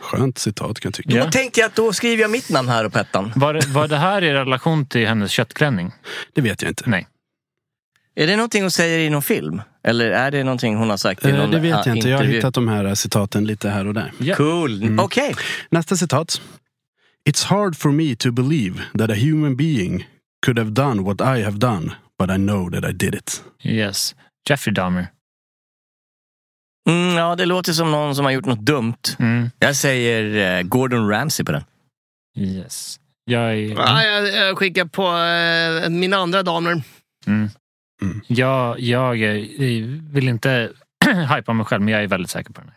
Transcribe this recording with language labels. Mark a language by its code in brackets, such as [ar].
[sv] Skönt citat kan jag tycka. [en] Yeah. [sv] Då tänkte jag att då skriver jag mitt namn här på ettan. Var det här i relation till hennes köttklänning? Det vet jag inte. Nej. Är det någonting hon säger i någon film? Eller är det någonting hon har sagt i någon Det vet jag inte. Jag har hittat de här citaten lite här och där. [en] Yeah. Cool. Mm. Okej. [sv] Okay. Nästa citat. [en] It's hard for me to believe that a human being could have done what I have done, but I know that I did it. Yes. Jeffrey Dahmer. [sv] Mm, ja, det låter som någon som har gjort något dumt. Mm. Jag säger Gordon Ramsay på den. Yes. Jag, jag skickar på min andra Dahmer. Mm. Mm. Jag vill inte hypa mig själv, men jag är väldigt säker på det.